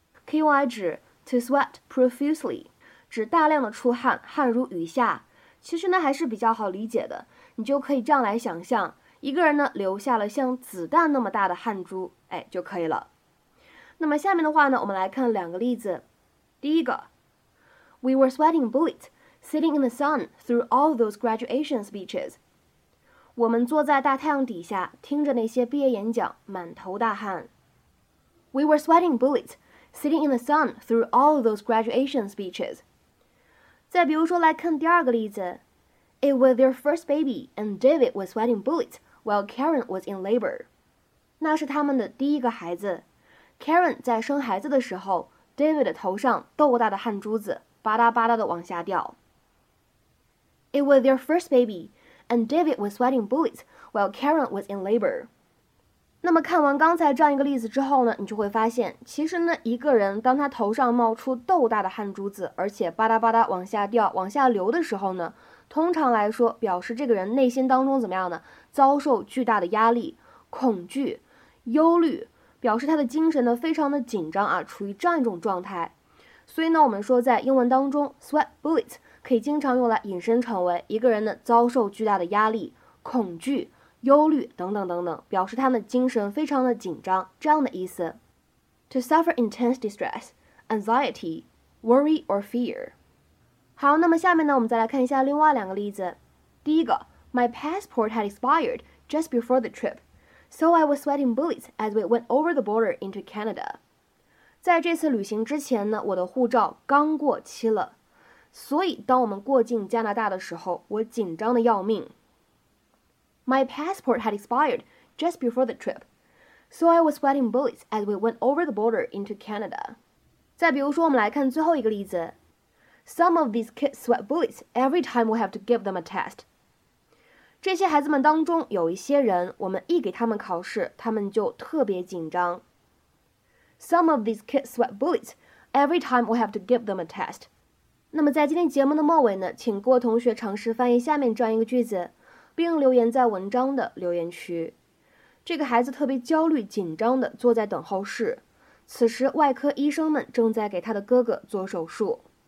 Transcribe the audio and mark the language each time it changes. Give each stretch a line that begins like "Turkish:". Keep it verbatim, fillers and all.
Chinese: 可以用来指
English: to sweat profusely，
Chinese: 指大量的出汗，汗如雨下。其实呢还是比较好理解的，你就可以这样来想象。一个人呢留下了像子弹那么大的汗珠，哎，就可以了。那么下面的话呢，我们来看两个例子。第一个
English: ，We were sweating bullets, sitting in the sun through all those graduation speeches。
Chinese: 我们坐在大太阳底下，听着那些毕业演讲，满头大汗。
English: We were sweating bullets, sitting in the sun through all those graduation speeches。
Chinese: 再比如说，来看第二个例子
English: ，It was their first baby, and David was sweating bullets。 While Karen was in labor.
Chinese: 那是他们的第一个孩子。Karen 在生孩子的时候 ,David 的头上豆大的汗珠子巴嗒巴嗒的往下掉。
English: It was their first baby, and David was sweating bullets while Karen was in labor.
Chinese: 那么看完刚才这样一个例子之后呢，你就会发现其实呢一个人当他头上冒出豆大的汗珠子而且巴嗒巴嗒往下掉往下流的时候呢，通常来说表示这个人内心当中怎么样呢，遭受巨大的压力，恐惧，忧虑，表示他的精神呢非常的紧张啊，处于这样一种状态。所以呢我们说在英文当中 sweat bullets 可以经常用来引申成为一个人呢遭受巨大的压力，恐惧，忧虑等等等等，表示他们精神非常的紧张这样的意思。
English: To suffer intense distress, anxiety, worry or fear。
Chinese: 好，那么下面呢我们再来看一下另外两个例子。第一个
English: My passport had expired just before the trip, so I was sweating bullets as we went over the border into Canada.
Chinese: 在这次旅行之前呢，我的护照刚过期了，所以当我们过境加拿大的时候，我紧张的要命。
English: My passport had expired just before the trip, so I was sweating bullets as we went over the border into Canada.
Chinese: 再比如说我们来看最后一个例子
English: Some of these kids sweat bullets every time we have to give them a test.
Chinese: 这些孩子们当中有一些人，我们一给他们考试，他们就特别紧张。
English: Some of these kids sweat bullets every time we have to give them a test.
Chinese: 那么在今天节目的末尾呢，请各位同学尝试翻译下面这样一个句子，并留言在文章的留言区。这个孩子特别焦虑紧张地坐在等候室，此时外科医生们正在给他的哥哥做手术。